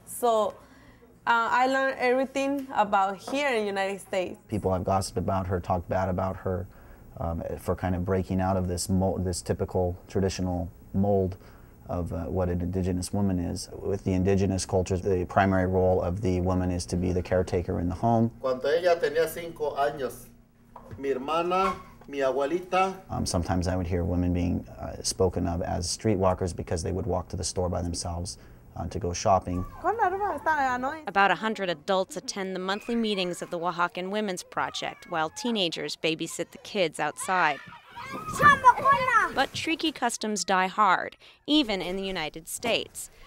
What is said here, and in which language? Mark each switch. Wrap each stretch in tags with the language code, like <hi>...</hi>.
<en>So I learned everything about here in the United States. People have gossiped about her, talked bad about her for kind of breaking out of this typical traditional mold of what an indigenous woman is. With the indigenous cultures, the primary role of the woman is to be the caretaker in the home.</en> <es>Cuando ella tenía 5 años, mi hermana, mi abuelita.</es> <en>Sometimes I would hear women being spoken of as streetwalkers because they would walk to the store by themselves to go shopping. About 100 adults attend the monthly meetings of the Oaxacan Women's Project while teenagers babysit the kids outside. But Triqui customs die hard, even in the United States.</en>